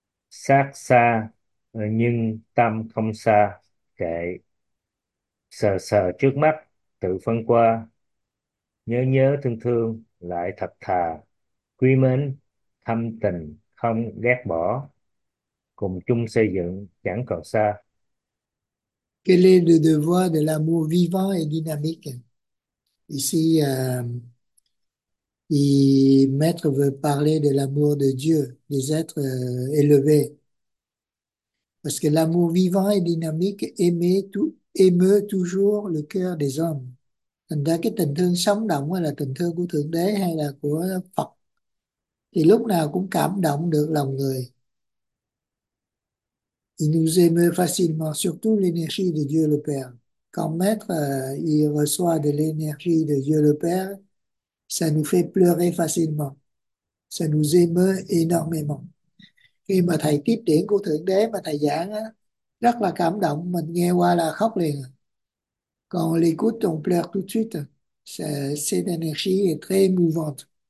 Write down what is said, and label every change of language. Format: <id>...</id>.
<vi>Xác xa nhưng tâm không xa, kệ. Sờ sờ trước mắt, tự phân qua. Nhớ nhớ thương thương, lại thật thà. Quý mến, thâm tình, không ghét bỏ. Cùng chung xây dựng, chẳng còn xa.</vi> <fr>Quel est le devoir de l'amour vivant et dynamique? Ici, il maître veut parler de l'amour de Dieu, des êtres élevés. Parce que l'amour vivant et dynamique émeut toujours le cœur des hommes.</fr> <vi>Thành ra cái tình thương sống động hay là tình thương của Thượng Đế hay là của Phật thì lúc nào cũng cảm động được lòng người.</vi> <fr>Il nous émeut facilement, surtout l'énergie de Dieu le Père. Quand Maître, il reçoit de l'énergie de Dieu le Père, ça nous fait pleurer facilement. Ça nous émeut énormément.</fr> <vi>Khi mà Thầy tiếp điển của Thượng Đế mà Thầy giảng, á, rất là cảm động, mình nghe qua là khóc liền.</vi> <fr>Quand on l'écoute, on pleure tout de suite. Cette énergie est très émouvante.</fr>